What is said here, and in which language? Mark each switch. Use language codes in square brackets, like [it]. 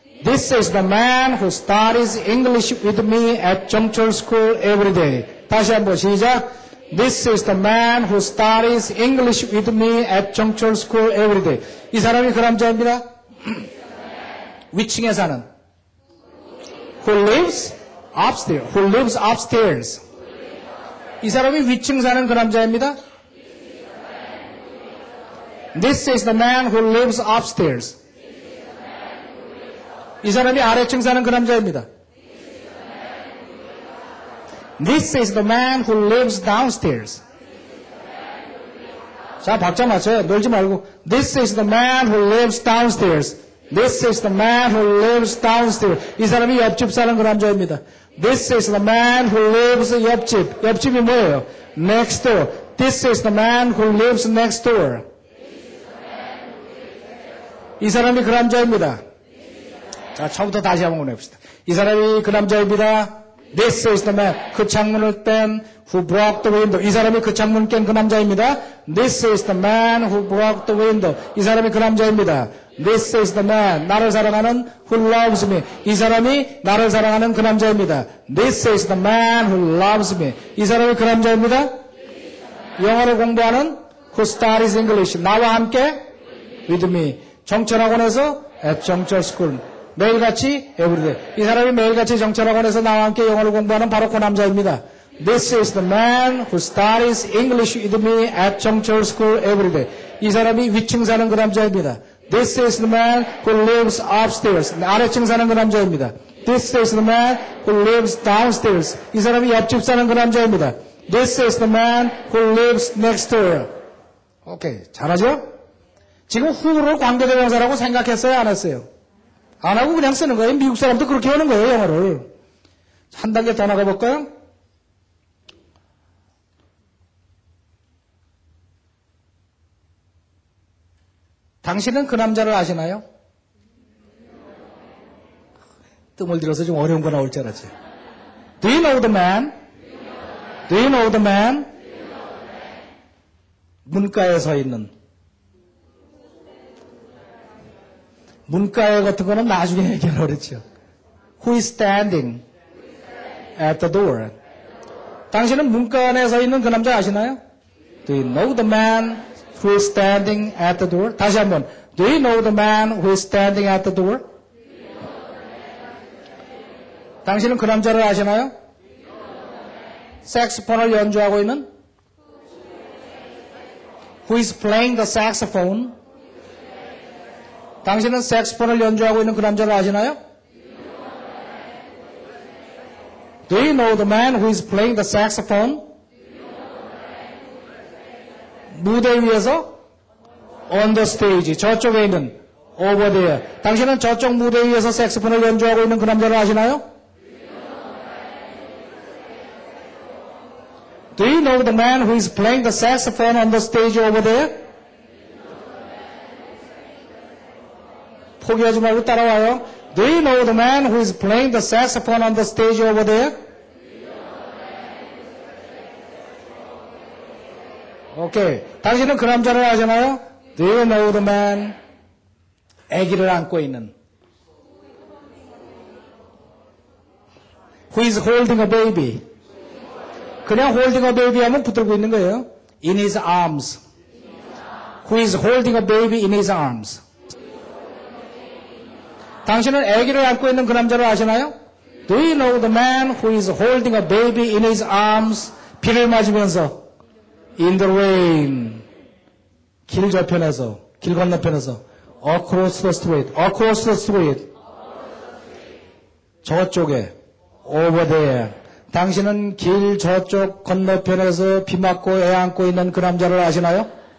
[en] This is the man who studies English with me at 정철 school every day. [ko] 다시 한번 시작. [en] This is the man who studies English with me at 정철 school every day. [ko] 이 사람이 그 남자입니다. 위층에 사는. [en] Who lives? Upstairs. Who lives upstairs? [ko] 이 사람이 위층 사는 그 남자입니다. [en] This is the man who lives upstairs. [ko] 이 사람이 아래층 사는 그 남자입니다. [en] This is the man who lives downstairs. [ko] 자, 박자 맞춰요. 놀지 말고. [en] This is the man who lives downstairs. This is the man who lives downstairs. [ko] 이 사람이 옆집 사는 그 남자입니다. [en] This is the man who lives 옆집. [ko] 옆집이 뭐예요? [en] Next door. This is the man who lives next door. [ko] 이 사람이 그 남자입니다. 자, 처음부터 다시 한번 해봅시다. 이 사람이 그 남자입니다. [en] This is the man. [ko] 그 창문을 뺀 [en] who broke the window. [ko] 이 사람이 그 창문을 깬 그 남자입니다. [en] This is the man who broke the window. [ko] 이 사람이 그 남자입니다. [en] This is the man. [ko] 나를 사랑하는 [en] who loves me. [ko] 이 사람이 나를 사랑하는 그 남자입니다. [en] This is the man who loves me. [ko] 이 사람이 그 남자입니다. 영어를 공부하는 [en] who studies English. [ko] 나와 함께 [en] with me. [ko] 정철학원에서 [en] at 정철 school. [ko] 매일같이 [en] everyday. [ko] 이 사람이 매일같이 정철학원에서 나와 함께 영어를 공부하는 바로 그 남자입니다. [en] This is the man who studies English with me at 정철 school everyday. [ko] 이 사람이 위층 사는 그 남자입니다. [en] This is the man who lives upstairs. [ko] 아래층 사는 그 남자입니다. [en] This is the man who lives downstairs. [ko] 이 사람이 옆집 사는 그 남자입니다. [en] This is the man who lives next door. [ko] 오케이, 잘하죠? 지금 who를 관계대명사라고 생각했어요, 안 했어요? 안 하고 그냥 쓰는 거예요. 미국 사람도 그렇게 하는 거예요, 영어를. 한 단계 더 나가볼까요? 당신은 그 남자를 아시나요? 뜸을 들여서 좀 어려운 거 나올 줄 알았지. [en] Do you know the man? Do you know the man? [ko] 문가에 서 있는. 문과의 같은 거는 나중에 얘기하려고 그랬죠. [en] Who is standing at the door? [ko] 당신은 문과 안에 서 있는 그 남자 아시나요? [en] Do you know the man who is standing at the door? [ko] 다시 한번. [en] Do you know the man who is standing at the door? [ko] 당신은 그 남자를 아시나요? 색소폰을 연주하고 있는? [en] Who is playing the saxophone? [ko] 당신은 색소폰을 연주하고 있는 그 남자를 아시나요? [en] Do you know the man who is playing the saxophone? [ko] 무대 위에서? [en] On the stage. [ko] 저쪽에 있는? [en] Over there. [ko] 당신은 저쪽 무대 위에서 색소폰을 연주하고 있는 그 남자를 아시나요? [en] Do you know the man who is playing the saxophone on the stage over there? [ko] 포기하지 말고 따라와요. [en] Do you know the man who is playing the saxophone on the stage over there? Okay. [ko] 당신은 그 남자를 아시나요? [en] Do you know the man? [ko] 아기를 안고 있는. [en] Who is holding a baby? 그냥 holding a baby [ko] 하면 붙들고 있는 거예요. [en] In his arms. Who is holding a baby in his arms? [ko] 당신은 아기를 안고 있는 그 남자를 아시나요? [en] Do you know the man who is holding a baby in his arms? [ko] 비를 맞으면서. [en] In the rain. [ko] 길 저편에서, 길 건너편에서. [en] Across the street. Across the street. [ko] 저쪽에. [en] Over there. [ko] 당신은 길 저쪽 건너편에서 비 맞고 애 안고 있는 그 남자를 아시나요?